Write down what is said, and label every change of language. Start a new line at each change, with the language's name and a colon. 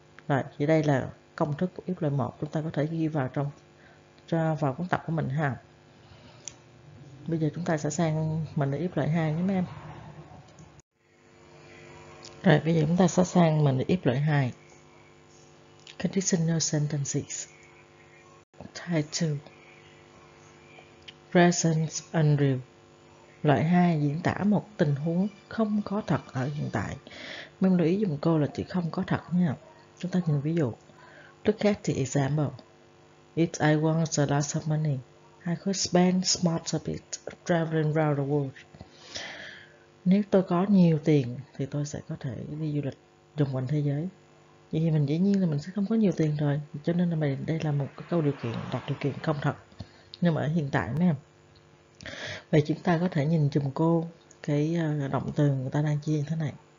Vietnamese: Rồi, dưới đây là công thức của if loại một, chúng ta có thể ghi vào trong cho vào cuốn tập của mình ha. Bây giờ chúng ta sẽ sang mình if loại 2 nhé em. Rồi, bây giờ chúng ta sẽ sang mình if loại 2.
English: Conditional sentences. Title. Present unreal.
Vietnamese: Loại 2 diễn tả một tình huống không có thật ở hiện tại. Mình lưu ý dùm cô là chỉ không có thật nha. Chúng ta nhìn ví dụ.
English: Look at the example. If I want a lot of money, I could spend smart of it traveling around the world.
Vietnamese: Nếu tôi có nhiều tiền thì tôi sẽ có thể đi du lịch vòng quanh thế giới. Vậy thì mình dĩ nhiên là mình sẽ không có nhiều tiền rồi. Cho nên là mình đây là một cái câu điều kiện, đặt điều kiện không thật. Nhưng mà ở hiện tại mấy em. Vậy chúng ta có thể nhìn chùm cô cái động từ người ta đang chia như thế này.